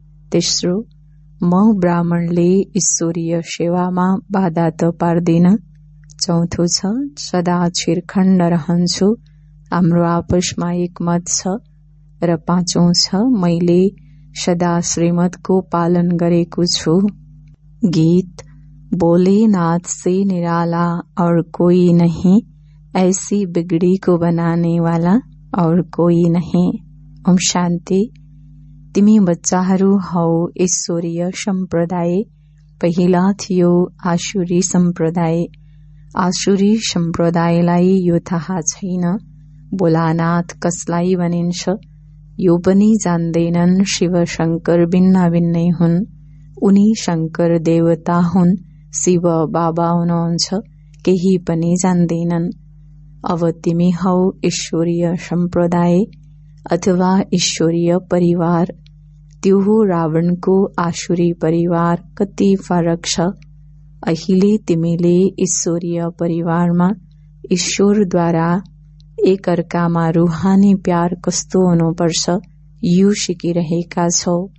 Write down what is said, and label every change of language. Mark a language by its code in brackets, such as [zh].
[ne] तेस्रो, म ब्राह्मणले ईश्वरीय सेवामा बाधा त पार्दिन। चौथो छ, सदा छिरखण्ड रहन्छु, हाम्रो आपसमा एकमत छ। र पाँचौं छ, मैले सदा श्रीमद्को पालन गरेको छु। [hi] गीत, बोले नाथ से निराला और कोई नहीं, ऐसी बिगड़ी को बनाने वाला और कोई नहीं। ओम शांति। [ne] तिमी बच्चाहरू हौ ईश्वरीय सम्प्रदाय। पहिला थियो आसुरी सम्प्रदाय। आसुरी सम्प्रदायलाई यो थाहा छैन बोलानाथ कसलाई भनिन्छ। यो पनि जान्दैनन् शिव शङ्कर भिन्न भिन्नै हुन्। उनी शङ्कर देवता हुन्, शिव बाबा हुनुहुन्छ, केही पनि जान्दैनन्। अब तिमी हौ ईश्वरीय सम्प्रदाय अथवा ईश्वरीय परिवार। त्यो रावणको आसुरी परिवार कति फरक छ। अहिले तिमीले ईश्वरीय परिवारमा ईश्वरद्वारा एक अर्कामा रुहानी प्यार कस्तो हुनुपर्छ यो सिकिरहेका छौ।